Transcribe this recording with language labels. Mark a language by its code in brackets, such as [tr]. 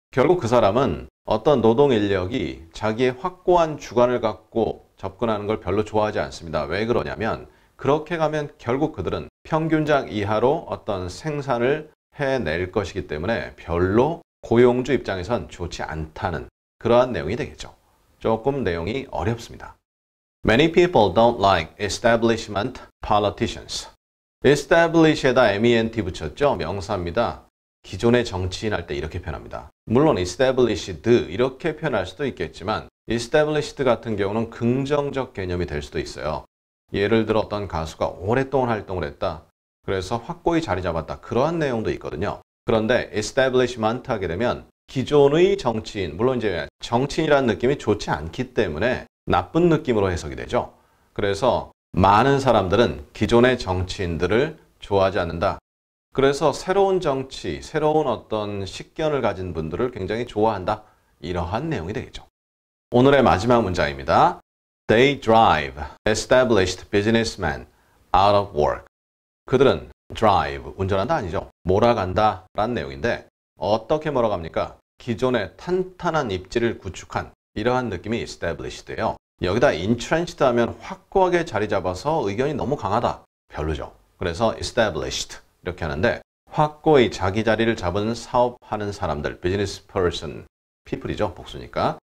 [ko] 결국 그 사람은 어떤 노동 인력이 자기의 확고한 주관을 갖고 접근하는 걸 별로 좋아하지 않습니다. 왜 그러냐면 그렇게 가면 결국 그들은 평균작 이하로 어떤 생산을 해낼 것이기 때문에 별로 고용주 입장에선 좋지 않다는 그러한 내용이 되겠죠. 조금 내용이 어렵습니다. [en] Many people don't like establishment politicians. [ko] Establish에다 ment 붙였죠. 명사입니다. 기존의 정치인 할 때 이렇게 표현합니다. 물론 established 이렇게 표현할 수도 있겠지만 established 같은 경우는 긍정적 개념이 될 수도 있어요. 예를 들어 어떤 가수가 오랫동안 활동을 했다. 그래서 확고히 자리 잡았다. 그러한 내용도 있거든요. 그런데 establishment 하게 되면 기존의 정치인, 물론 이제 정치인이라는 느낌이 좋지 않기 때문에 나쁜 느낌으로 해석이 되죠. 그래서 많은 사람들은 기존의 정치인들을 좋아하지 않는다. 그래서 새로운 정치, 새로운 어떤 식견을 가진 분들을 굉장히 좋아한다. 이러한 내용이 되겠죠. 오늘의 마지막 문장입니다. [en] They drive established businessmen out of work. [ko] 그들은 drive, 운전한다 아니죠. 몰아간다 라는 내용인데 어떻게 몰아갑니까? 기존의 탄탄한 입지를 구축한 이러한 느낌이 established예요. 여기다 entrenched 하면 확고하게 자리 잡아서 의견이 너무 강하다. 별로죠. 그래서 established 이렇게 하는데 확고히 자기 자리를 잡은 사업하는 사람들, business person, people이죠. 복수니까.